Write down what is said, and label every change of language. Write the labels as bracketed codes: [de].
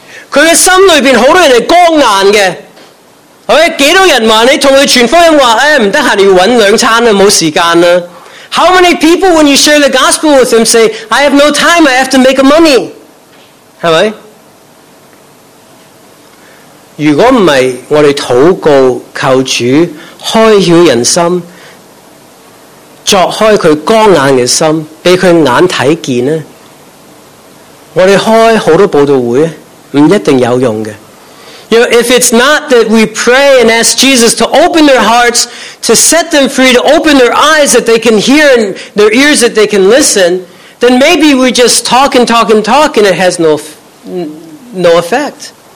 [zh] 他的心里面很多人是刚硬的。几多人说你跟他传福音说，哎，不得闲，要找两餐，没时间。 [en] How many people when you share the gospel with them say, I have no time, I have to make money? [zh] 是吧？如果不是我们祷告求主开晓人心，凿开他刚硬的心，给他眼看见，我们开很多报道会不一定有用的。 [en] You know, if it's not that we pray and ask Jesus to open their hearts, to set them free, to open their eyes that they can hear and their ears that they can listen, then maybe we just talk and talk and talk and it has no effect.